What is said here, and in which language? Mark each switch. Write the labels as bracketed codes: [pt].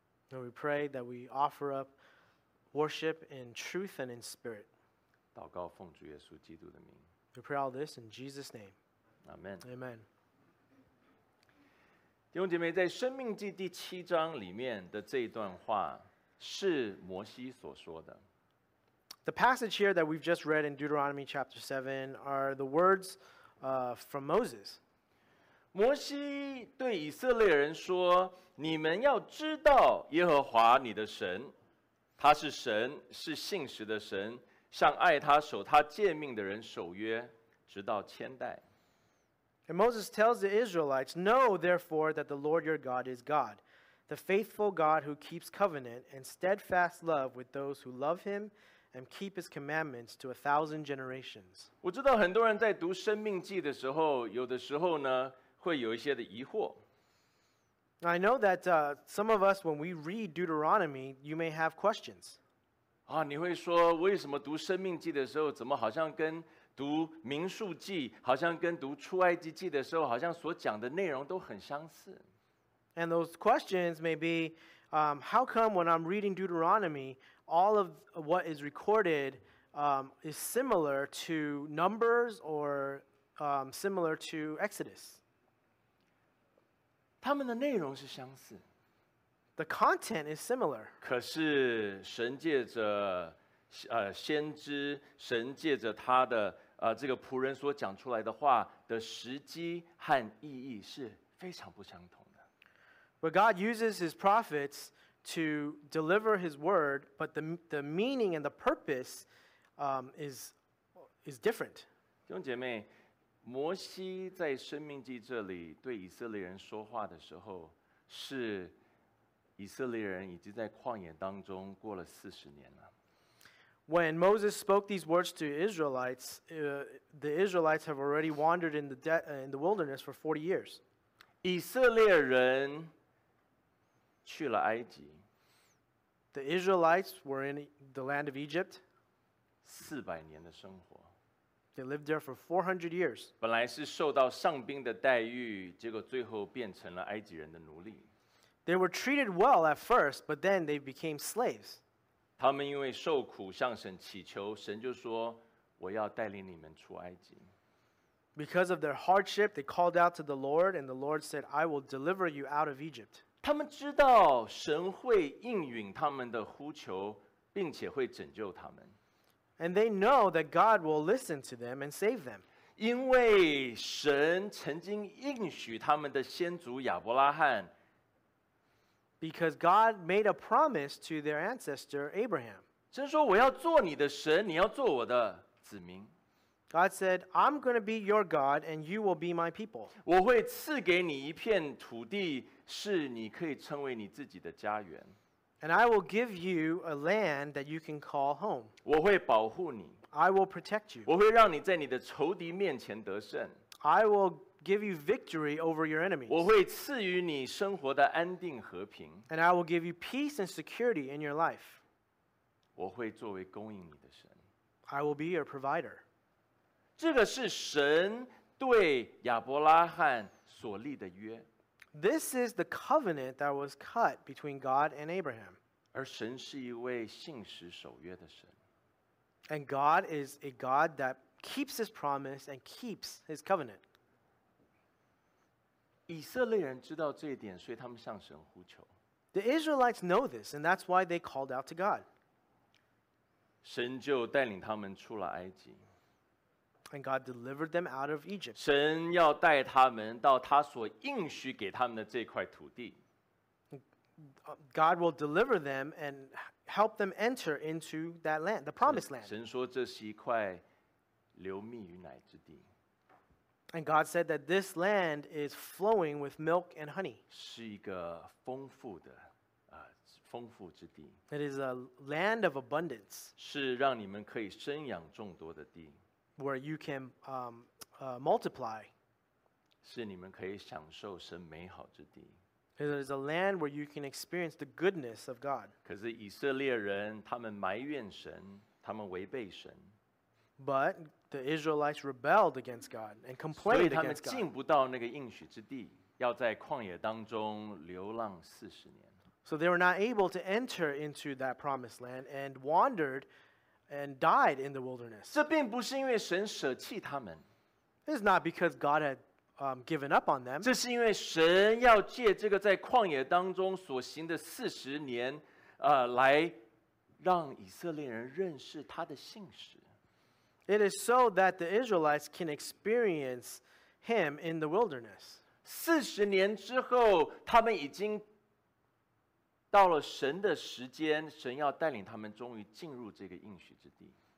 [en] And we pray that we offer up worship in truth and in spirit. [zh] 祷告奉主耶稣基督的名。 [en] We pray all this in Jesus' name. Amen. Amen. [zh] 弟兄姐妹，在《生命记》第七章里面的这一段话是摩西所说的。 [en] The passage here that we've just read in Deuteronomy chapter 7 are the words from Moses. [zh] 摩西对以色列人说，你们要知道耶和华你的神，他是神，是信实的神，向爱他、守他诫命的人守约，直到千代。 [en] And Moses tells the Israelites, Know therefore that the Lord your God is God, the faithful God who keeps covenant and steadfast love with those who love him,and keep his commandments to 1,000 generations. [zh] 我知道很多人在读生命记的时候，有的时候呢，会有一些的疑惑。 [en] I know that some of us, when we read Deuteronomy, you may have questions. [zh] 啊，你会说，为什么读生命记的时候，怎么好像跟读民数记，好像跟读出埃及记的时候，好像所讲的内容都很相似。 [en] And those questions may be, how come when I'm reading Deuteronomy, all of what is recorded is similar to Numbers or similar to Exodus? [zh] 他们的内容是相似。 [en] The content is similar. [zh] 可是神借着先知，神借着他的这个仆人所讲出来的话的时机和意义是非常不相同的。 [en] But God uses his prophets to deliver his word, but the meaning and the purpose is different. [zh] 弟兄姐妹，摩西在《生命记》这里对以色列人说话的时候，是以色列人已经在旷野当中过了四十年了。 [en] When Moses spoke these words to Israelites, the Israelites have already wandered in the wilderness for 40 years. [zh] 以色列人去了埃及。 [en] The Israelites were in the land of Egypt. [zh] 四百年的生活。 [en] They lived there for 400 years. [zh] 本来是受到上宾的待遇，结果最后变成了埃及人的奴隶。 [en] They were treated well at first, but then they became slaves. [zh] 他们因为受苦向神祈求，神就说，我要带领你们出埃及。 [en] Because of their hardship, they called out to the Lord, and the Lord said, I will deliver you out of Egypt. [zh] 他们知道神会应允他们的呼求，并且会拯救他们。 [en] And they know that God will listen to them and save them. [zh] 因为神曾经应许他们的先祖亚伯拉罕。 [en] Because God made a promise to their ancestor Abraham. [zh] 神说我要做你的神，你要做我的子民。 [en] God said, I'm going to be your God and you will be my people. [zh] 我会赐给你一片土地，是你可以称为你自己的家园。 [en] And I will give you a land that you can call home. [zh] 我会保护你。 [en] I will protect you. [zh] 我会让你在你的仇敌面前得胜。 [en] I will give you victory over your enemies. [zh] 我会赐予你生活的安定和平。 [en] And I will give you peace and security in your life. [zh] 我会作为供应你的神。 [en] I will be your provider. [zh] 这个是神对亚伯拉罕所立的约。 [en] This is the covenant that was cut between God and Abraham. [zh] 而神是一位信实守约的神。 [en] And God is a God that keeps his promise and keeps his covenant. [zh] 以色列人知道这一点，所以他们向神呼求。 [en] The Israelites know this, and that's why they called out to God. [zh] 神就带领他们出了埃及。 [en] And God delivered them out of Egypt. [zh] 神要带他们到他所应许给他们的这块土地。 [en] God will deliver them and help them enter into that land, the promised land. [zh] 神说这是一块流蜜与奶之地。 [en] And God said that this land is flowing with milk and honey. [zh] 是一个丰富的丰富之地。 [en] It is a land of abundance. [zh] 是让你们可以生养众多的地。 [en] Where you can multiply. [zh] 是你们可以享受神美好之地。 [en] It is a land where you can experience the goodness of God. [zh] 可是以色列人，他们埋怨神，他们违背神。 [en] But the Israelites rebelled against God and complained against God. [zh] 所以他们进不到那个应许之地，要在旷野当中流浪四十年。 [en] So they were not able to enter into that promised land and wandered and died in the wilderness. [zh] 这并不是因为神舍弃他们。 [en] It's not because God had given up on them. [zh] 这是因为神要借这个在旷野当中所行的四十年，来让以色列人认识他的信实。 [en] It is so that the Israelites can experience him in the wilderness. [zh] 四十年之后，他们已经到了神的时间，神要带领他们终于进入这个应许之地。